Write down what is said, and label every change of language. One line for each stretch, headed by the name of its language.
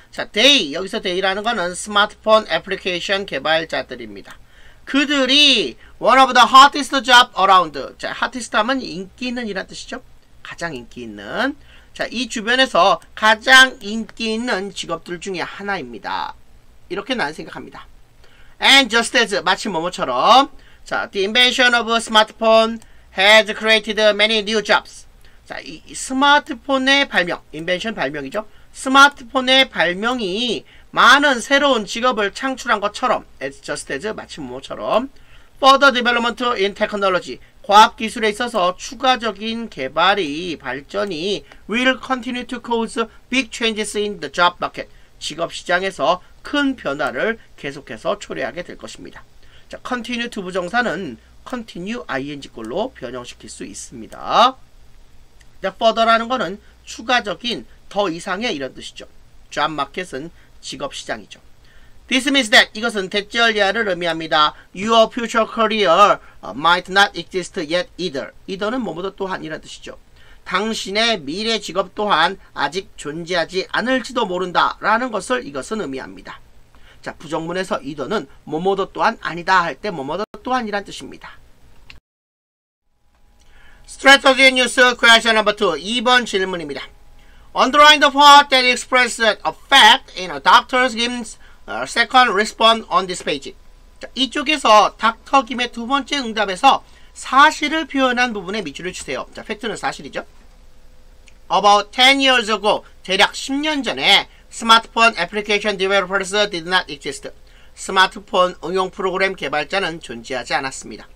Korean: 자, they, 여기서 they라는 거는 스마트폰 애플리케이션 개발자들입니다. 그들이
English: one of the hottest job around,
Korean: 자, hottest 하면 인기 있는 이란 뜻이죠? 가장 인기 있는, 자, 이 주변에서 가장 인기 있는 직업들 중에 하나입니다. 이렇게 나는 생각합니다.
English: And just as,
Korean: 마치 뭐뭐처럼, 자,
English: the invention of a smartphone has created many new jobs.
Korean: 자, 이 스마트폰의 발명, 인벤션 발명이죠. 스마트폰의 발명이 많은 새로운 직업을 창출한 것처럼, as just as 마치 뭐처럼,
English: further development in technology,
Korean: 과학 기술에 있어서 추가적인 개발이 발전이
English: will continue to cause big changes in the job market,
Korean: 직업 시장에서 큰 변화를 계속해서 초래하게 될 것입니다. 자, continue to 부정사는 continue ing꼴로 변형시킬 수 있습니다. further라는 거는 추가적인 더 이상의 이런 뜻이죠. job market은 직업 시장이죠.
English: this means that
Korean: 이것은 대절 이하를 의미합니다.
English: your future career might not exist yet either.
Korean: either는 뭐뭐도 또한 이런 뜻이죠. 당신의 미래 직업 또한 아직 존재하지 않을지도 모른다 라는 것을 이것은 의미합니다. 자, 부정문에서 either는 뭐뭐도 또한 아니다 할 때 뭐뭐도 또한 이란 뜻입니다.
English: Strategy News Question Number 2.
Korean: 2번 질문입니다.
English: Underline the part that expresses a fact in a Dr. Kim's second response on this page.
Korean: 자, 이쪽에서
English: Dr.
Korean: Kim의 두 번째 응답에서 사실을 표현한 부분에 밑줄을 주세요. 자, 팩트는 사실이죠.
English: About 10 years ago,
Korean: 대략 10년 전에 스마트폰 애플리케이션 디벨로퍼스
English: did not exist.
Korean: 스마트폰 응용 프로그램 개발자는 존재하지 않았습니다.